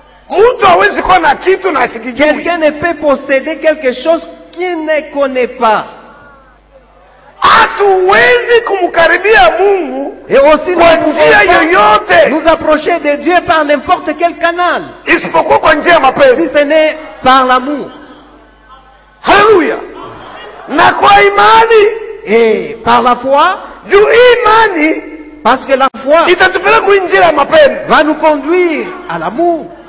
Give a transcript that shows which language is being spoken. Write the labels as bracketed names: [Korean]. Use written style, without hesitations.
[Swahili] Mtu hawezi kuwa na kitu na asikijui. [French] Quelqu'un ne peut posséder quelque chose qu'il ne connaît pas. [Swahili] Hatuwezi kumkaribia Mungu kwa njia yoyote. [French] Nous approcher de Dieu par n'importe quel canal. [Swahili] Isipokuwa kwa njia ya mapenzi. [French] Si ce n'est par l'amour. [Swahili] Hallelujah. Na kwa imani. [French] Eh, par la foi. [Swahili] Juu imani. [French] Parce que la foi. [Swahili] Itatupeleka kwa njia ya mapenzi. [French] Va nous conduire à l'amour.